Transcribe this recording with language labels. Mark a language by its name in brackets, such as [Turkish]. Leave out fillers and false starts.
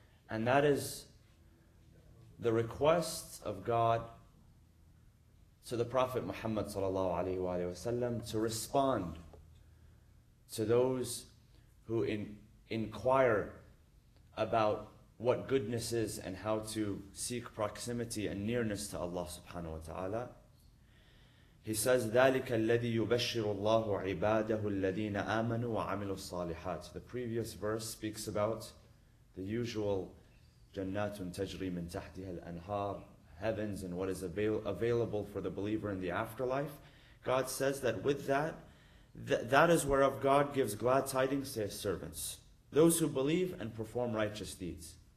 [English] And that is the request of God to the Prophet Muhammad sallallahu alaihi wa alayhi wa sallam to respond to those who inquire about what goodness is and how to seek proximity and nearness to Allah subhanahu wa ta'ala. He says, [Arabic] ذَلِكَ الَّذِي يُبَشِّرُ اللَّهُ عِبَادَهُ الَّذِينَ آمَنُوا وَعَمِلُوا الصَّالِحَاتِ. [English] The previous verse speaks about the usual [Arabic] جَنَّاتٌ تَجْرِي مِنْ تَحْتِهَا الْأَنْهَارِ, [English] heavens and what is available for the believer in the afterlife. God says that with that, that is whereof God gives glad tidings to His servants, those who believe and perform righteous deeds.